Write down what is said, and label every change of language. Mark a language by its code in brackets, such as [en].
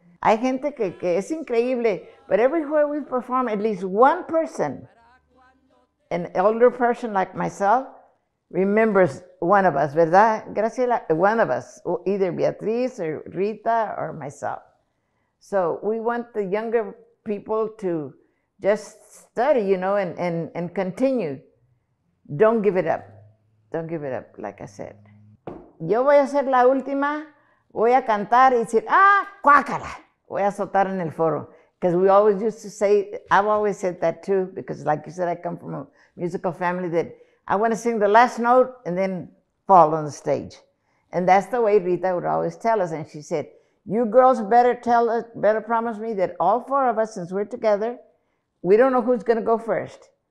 [es] Hay gente que es increíble, [en] but everywhere we perform, at least one person, an older person like myself, remembers one of us, [es] ¿verdad, Graciela? [en] One of us, either Beatriz or Rita or myself. So we want the younger people to just study, you know, and continue. Don't give it up. Don't give it up, like I said. [es] Yo voy a ser la última, voy a cantar y decir, ¡ah, cuácala! Voy a soltar en el foro. [en] Because we always used to say, I've always said that too, because like you said, I come from a musical family that I want to sing the last note and then fall on the stage. And that's the way Rita would always tell us. And she said, you girls better promise me that all four of us, since we're together, we don't know who's going to go first.